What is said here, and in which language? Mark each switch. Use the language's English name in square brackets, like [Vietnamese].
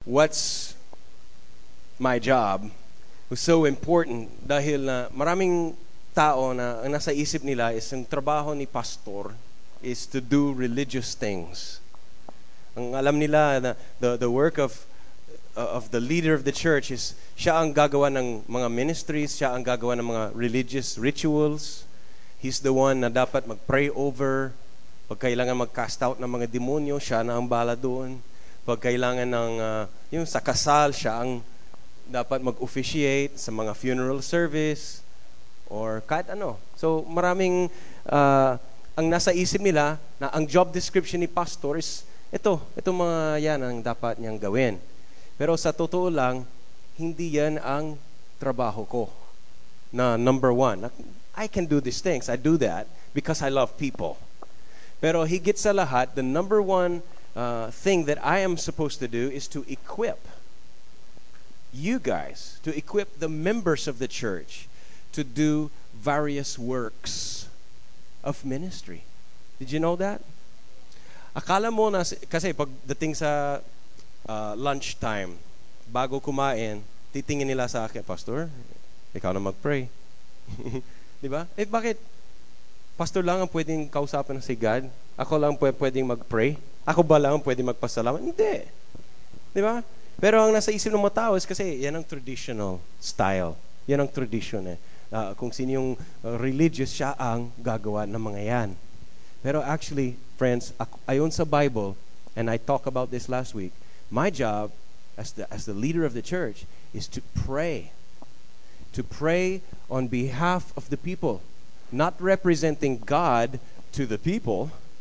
[English] what's my job was so important [Filipino] dahil na maraming tao na nasa isip nila is ang trabaho ni pastor is [English] to do religious things. [Filipino] Ang alam nila na [English] the work of the leader of the church [Filipino] is siya ang gagawa ng mga ministries, siya ang gagawa ng mga religious rituals. [English] He's the one [Filipino] na dapat [English] mag-pray over. [Filipino] Pag kailangan mag-cast out ng mga demonyo, siya na ang bahala doon. Pag kailangan ng yung sa kasal, siya ang dapat mag-officiate sa mga funeral service or kahit ano. So maraming ang nasa isip nila na ang job description ni pastor is ito mga yan ang dapat niyang gawin. Pero sa totoo lang, hindi yan ang trabaho ko na number one. [English] I can do these things. I do that because I love people. [Filipino] Pero higit sa lahat, [English] the number one thing that I am supposed to do is to equip you guys, to equip the members of the church to do various works of ministry. Did you know that? [Filipino] Akala mo na, kasi pagdating sa lunchtime, bago kumain, titingin nila sa akin, Pastor, ikaw na mag-pray. Diba? Eh bakit? Pastor lang ang pwedeng kausapin si God? Ako lang pwedeng mag-pray? Ako ba lang pwedeng magpasalamat? Hindi. Diba? Pero ang nasa isip ng mga tao is kasi yan ang traditional style. Yan ang tradition eh. Kung sino yung religious, siya ang gagawa ng mga yan. [English] Pero actually, friends, [Filipino] ayon sa [English] Bible, and I talked about this last week, my job as the leader of the church is to pray. To pray on behalf of the people. Not representing God to the people.